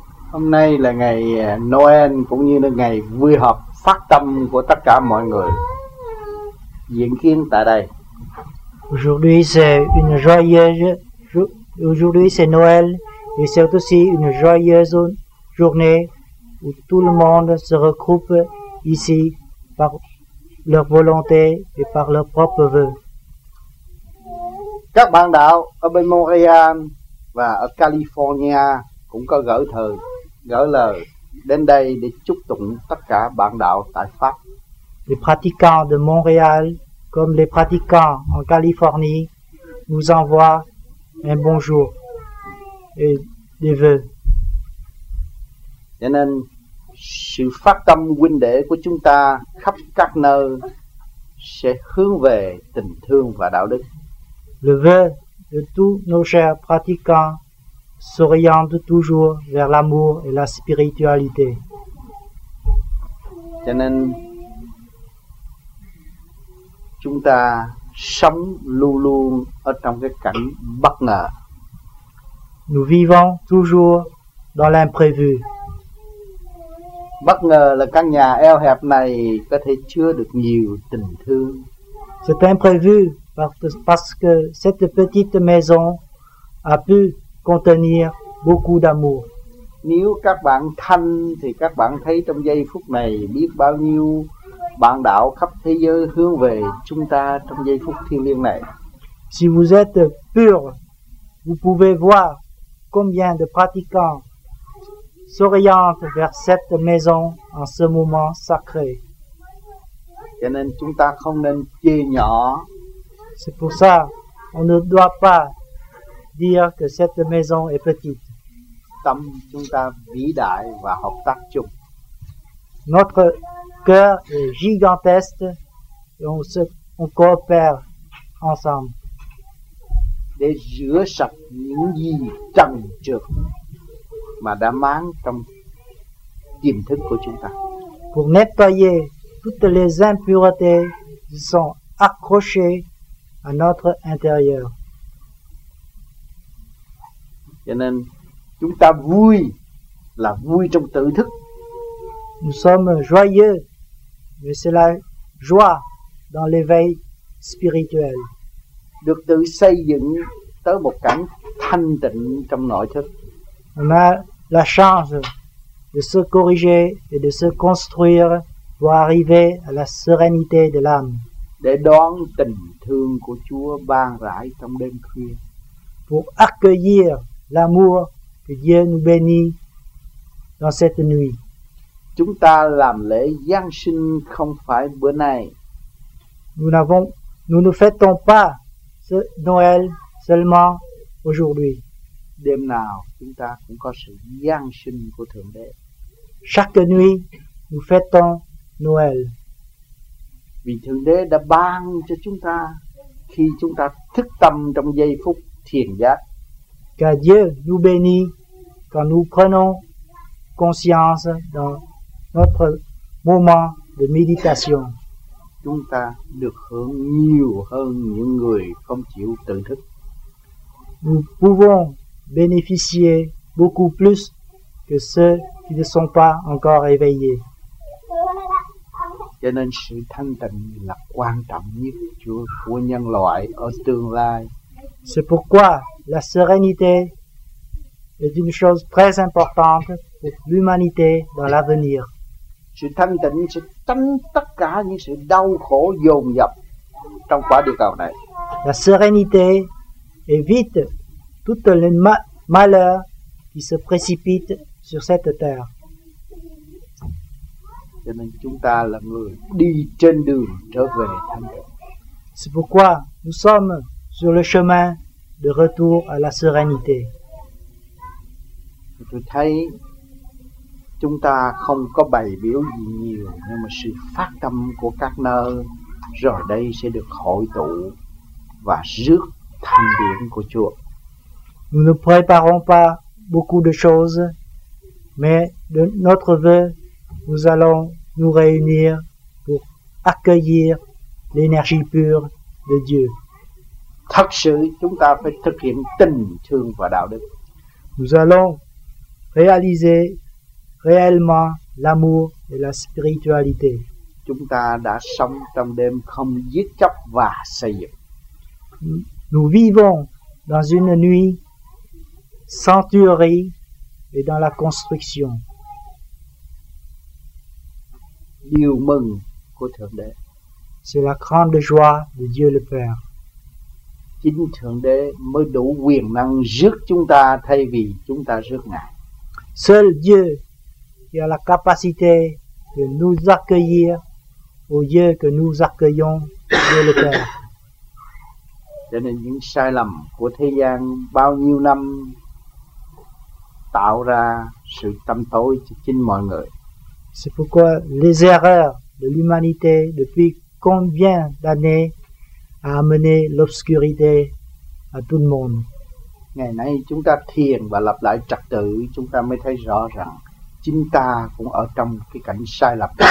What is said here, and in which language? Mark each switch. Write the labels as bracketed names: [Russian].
[Vietnamese] Hôm nay là ngày Noel cũng như là ngày vui họp phát tâm của tất cả mọi người diễn kiến tại đây. [French] Aujourd'hui c'est une joyeuse aujourd'hui c'est Noël et c'est aussi une joyeuse journée où tout le monde se regroupe ici par leur volonté et par leur propre vœu. [Vietnamese] Các bạn đạo ở bên Montréal và ở California cũng có gửi thư, gửi lời đến đây để chúc tụng tất cả bạn đạo tại Pháp. [French] Les pratiquants de Montréal comme les pratiquants en Californie nous envoie un bonjour et des vœux. [Vietnamese] Cho nên sự phát tâm huynh đệ của chúng ta khắp các nơi sẽ hướng về tình thương và đạo đức. [French] Le vœu de tous nos chers pratiquants s'oriente toujours vers l'amour et la spiritualité. [Vietnamese] Cho nên chúng ta sống luôn luôn ở trong cái cảnh bất ngờ. [French] Nous vivons toujours dans l'imprévu. [Vietnamese] Bất ngờ là căn nhà eo hẹp này có thể chứa được nhiều tình thương. [French] C'est imprévu parce que cette petite maison a pu contenir beaucoup d'amour. [Vietnamese] Nếu các bạn thanh thì các bạn thấy trong giây phút này biết bao nhiêu bạn đạo khắp thế giới hướng về chúng ta trong giây phút thiêng liêng này. [French] Si vous êtes pur, vous pouvez voir combien de pratiquants s'oriente vers cette maison en ce moment sacré. [Vietnamese] Cho nên chúng ta không nên chê nhỏ. [French] C'est pour ça, on ne doit pas dire que cette maison est petite. [Vietnamese] Tâm chúng ta vĩ đại và hợp tác chung. [French] Notre cœur est gigantesque et on coopère ensemble. [Vietnamese] Để rửa sạch những gì trần trược mà đã mang trong tiềm thức của chúng ta. [French] Pour nettoyer toutes les impuretés qui sont accrochées à notre intérieur. [Vietnamese] Cho nên chúng ta vui là vui trong tự thức. [French] Nous sommes joyeux, mais c'est la joie dans l'éveil spirituel. [Vietnamese] Được tự xây dựng tới một cảnh thanh tịnh trong nội thức. [French] La chance de se corriger et de se construire pour arriver à la sérénité de l'âme. [Vietnamese] Để đón tình thương của Chúa ban rải trong đêm khuya. [French] Pour accueillir l'amour que Dieu nous bénit dans cette nuit. [Vietnamese] Chúng ta làm lễ Giáng sinh không phải bữa nay. [French] Nous ne fêtons pas ce Noël seulement aujourd'hui. [Vietnamese] Đêm nào chúng ta cũng có sự giáng sinh của Thượng Đế. [French] Chaque nuit, nous fêtons Noël. [Vietnamese] Vì Thượng Đế đã ban cho chúng ta khi chúng ta thức tâm trong giây phút thiền giác. [French] Que Dieu nous bénit quand nous prenons conscience dans notre moment de méditation. [Vietnamese] Chúng ta được hưởng nhiều hơn những người không chịu tự thức. [French] Nous pouvons bénéficier beaucoup plus que ceux qui ne sont pas encore éveillés. [Vietnamese] Cho nên sự thanh tịnh là quan trọng nhất của nhân loại ở tương lai. [French] C'est pourquoi la sérénité est une chose très importante pour l'humanité dans l'avenir. [Vietnamese] Sự thanh tịnh sẽ tránh tất cả những sự đau khổ dồn dập trong quả địa cầu này. [French] La sérénité évite toutes les malheurs qui se précipitent sur cette terre. [Vietnamese] Cho nên chúng ta là người đi trên đường trở về thanh tịnh. [French] C'est pourquoi nous sommes sur le chemin de retour à la sérénité. [Vietnamese] Tôi thấy chúng ta không có bày biểu gì nhiều, nhưng mà sự phát tâm của các nơi rồi đây sẽ được hội tụ và rước thanh điển của Chúa. [French] Nous ne préparons pas beaucoup de choses, mais de notre vœu, nous allons nous réunir pour accueillir l'énergie pure de Dieu. [Vietnamese] Thật sự, chúng ta phải thực hiện tình thương và đạo đức. [French] Nous allons réaliser réellement l'amour et la spiritualité. [Vietnamese] Chúng ta đã sống trong đêm không giết chóc và xây dựng. [French] Nous vivons dans une nuit sans tuerie et dans la construction. [Vietnamese] Điều mừng của Thượng Đế. [French] C'est la grande joie de Dieu le Père. [Vietnamese] Chính Thượng Đế mới đủ quyền năng rước chúng ta thay vì chúng ta rước Ngài. [French] Seul Dieu qui a la capacité de nous accueillir au lieu que nous accueillons Dieu le Père. [Vietnamese] Cho nên những sai lầm của thế gian bao nhiêu năm tạo ra sự tâm tối cho chính mọi người. [French] C'est pourquoi les erreurs de l'humanité depuis combien d'années a amené l'obscurité à tout le monde. [Vietnamese] Ngày nay chúng ta thiền và lập lại trật tự, chúng ta mới thấy rõ rằng chính ta cũng ở trong cái cảnh sai lầm.